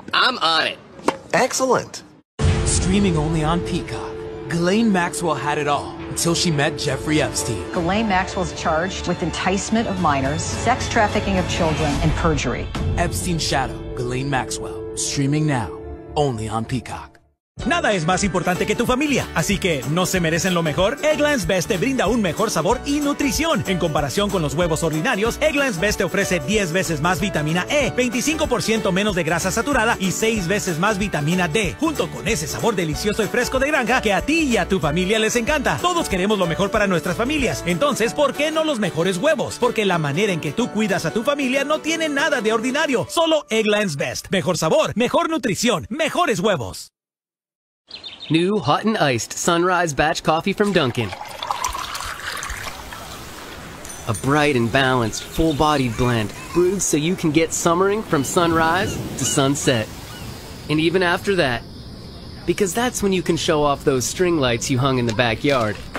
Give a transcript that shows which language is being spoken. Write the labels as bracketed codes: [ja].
[en] I'm on it. Excellent. Streaming only on Peacock. Ghislaine Maxwell had it all until she met Jeffrey Epstein. Ghislaine Maxwell's charged with enticement of minors, sex trafficking of children, and perjury. Epstein's shadow, Ghislaine Maxwell. Streaming now, only on Peacock. [es] Nada es más importante que tu familia, así que ¿no se merecen lo mejor? Eggland's Best te brinda un mejor sabor y nutrición. En comparación con los huevos ordinarios, Eggland's Best te ofrece 10 veces más vitamina E, 25% menos de grasa saturada y 6 veces más vitamina D, junto con ese sabor delicioso y fresco de granja que a ti y a tu familia les encanta. Todos queremos lo mejor para nuestras familias, entonces ¿por qué no los mejores huevos? Porque la manera en que tú cuidas a tu familia no tiene nada de ordinario, solo Eggland's Best. Mejor sabor, mejor nutrición, mejores huevos. [en] New hot and iced sunrise batch coffee from Dunkin'. A bright and balanced, full-bodied blend brewed so you can get summering from sunrise to sunset. And even after that, because that's when you can show off those string lights you hung in the backyard.